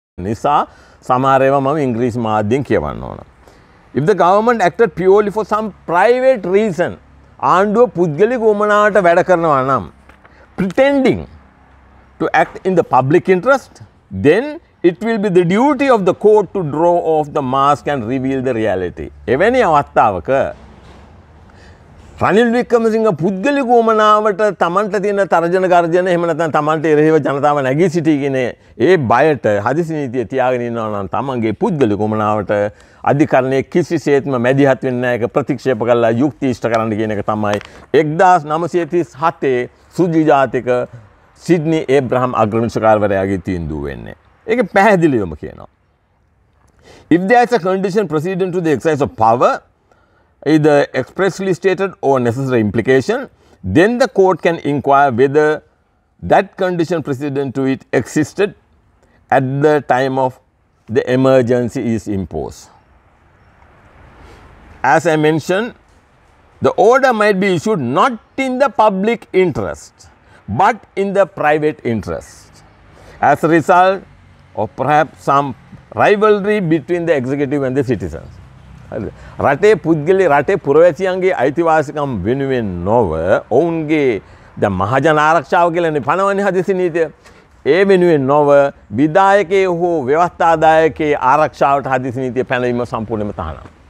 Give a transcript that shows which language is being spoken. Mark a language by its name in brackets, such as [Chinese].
[Sinhala] නිසා සමහර ඒවා මම ඉංග්‍රීසි මාධ්‍යෙන් කියවන්න ඕන. [English] If the government acted purely for some private reason, [Sinhala] ආණ්ඩුව පුද්ගලික උමනාවට වැඩ කරනවා නම් [English] pretending to act in the public interest, then it will be the duty of the court to draw off the mask and reveal the reality. [Sinhala] එවැනි අවස්ථාවක රනිල් වික්‍රමසිංහ පුද්ගලික උමනාවට තමන්ට තියෙන තර්ජන ගර්ජන එහෙම නැත්නම් තමන්ට එරෙහිව ජනතාව නැගී සිටී කියන්නේ ඒ බයට හදිසි නීතිය තියාගෙන ඉන්නවා නම් තමන්ගේ පුද්ගලික උමනාවට අධිකරණයේ කිසිසේත්ම මැදිහත් වෙන්නේ නැහැ. ඒක ප්‍රතික්ෂේප කරලා යුක්ති ඉෂ්ට කරන්න කියන එක තමයි 1937 සුජීජාතික සිඩ්නි ඒබ්‍රහම් අග්‍රමිනිස් කාර්යවරයාගේ තීන්දුව වෙන්නේ. ඒක පැහැදිලිවම කියනවා. [English] If there is a condition precedent to the exercise of power, either expressly stated or necessary implication, then the court can inquire whether that condition precedent to it existed at the time of the emergency is imposed. As I mentioned, the order might be issued not in the public interest, but in the private interest. As a result of perhaps some rivalry between the executive and the citizens. [Sinhala] රටේ පුද්ගලි රටේ පුරවැසියන්ගේ අයිතිවාසිකම් වෙනුවෙන් නොව ඔවුන්ගේ ද මහජන ආරක්ෂාව කියලන්නේ පනවන්නේ හදිසි නීතිය ඒ වෙනුවෙන් නොව විධායකයේ හෝ ව්‍යවස්ථාදායකයේ ආරක්ෂාවට හදිසි නීතිය පැනවීම සම්පූර්ණයෙන්ම තහනම්.